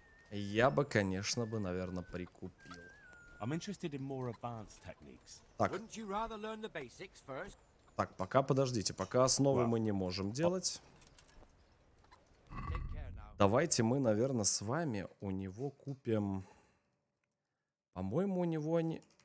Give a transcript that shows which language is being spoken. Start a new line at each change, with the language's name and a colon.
Russian: Я бы, конечно, бы, наверное, прикупил.
English: I'm interested in more advanced techniques.
Russian: Так.
English: Wouldn't you rather learn the basics first?
Russian: Так, пока подождите, пока основы мы не можем делать. Давайте мы, наверное, с вами у него купим. По-моему, у него они.